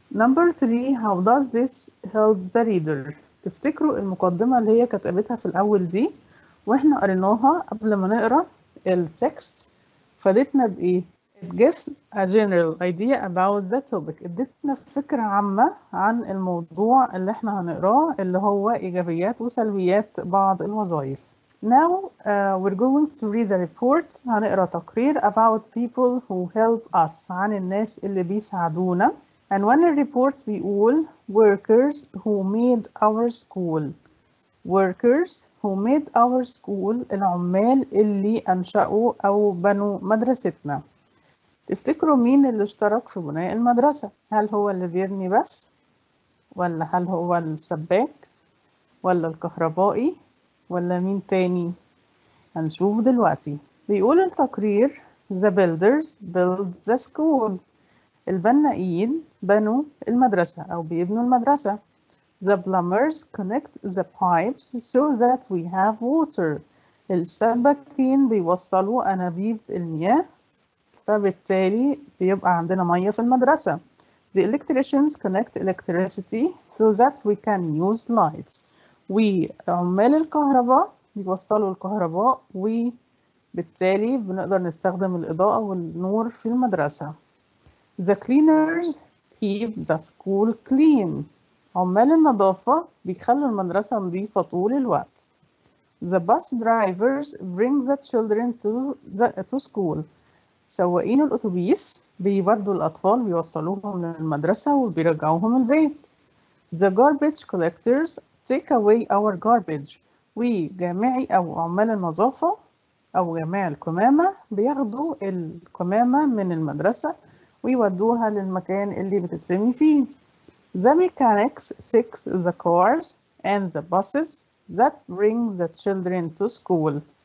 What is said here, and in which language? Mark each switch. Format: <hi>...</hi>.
<ar>نمبر 3،</ar> <en>How does this help the reader?</en> <ar>تفتكروا المقدمه اللي هي كتبتها في الاول دي واحنا قريناها قبل ما نقرا التكست، فادتنا بايه؟</ar> <en>ات جيفز ا جنرال ايديا اباوت ذا توبك،</en> <ar>ادتنا فكره عامه عن الموضوع اللي احنا هنقراه اللي هو ايجابيات وسلبيات بعض الوظائف.</ar> <en>Now we're going to read the report،</en> <ar>هنقرا تقرير</ar> <en>about people who help us،</en> <ar>عن الناس اللي بيساعدونا.</ar> <en>And when the report</en> <ar>بيقول</ar> <en>workers who made our school، workers who made our school,</en> <ar>العمال اللي أنشأوا أو بنوا مدرستنا. تفتكروا مين اللي اشترك في بناء المدرسة؟ هل هو الليفيرني بس؟ ولا هل هو السباك؟ ولا الكهربائي؟ ولا مين تاني؟ هنشوف دلوقتي. بيقول التقرير</ar> <en>The builders build the school.</en> <ar>البنائين بنوا المدرسة أو بيبنوا المدرسة.</ar> <en>The plumbers connect the pipes so that we have water.</en> <ar>السباكين بيوصلوا أنابيب المياه فبالتالي بيبقى عندنا مية في المدرسة.</ar> <en>The electricians connect electricity so that we can use lights.</en> <ar>وعمال الكهرباء بيوصلوا الكهرباء وبالتالي بنقدر نستخدم الإضاءة والنور في المدرسة.</ar> <en>The cleaners keep the school clean.</en> <ar>عمال النظافة بيخلوا المدرسة نظيفة طول الوقت.</ar> <en>The bus drivers bring the children to school.</en> <ar>سواقين الأتوبيس بيبردوا الأطفال بيوصلوهم للمدرسة وبيرجعوهم البيت.</ar> <en>The garbage collectors take away our garbage.</en> <ar>وجامعي أو عمال النظافة أو جامعي الكمامة بياخدوا الكمامة من المدرسة ويودوها للمكان اللي بتترمي فيه.</ar> <en>The mechanics fix the cars and the buses that bring the children to school.</en>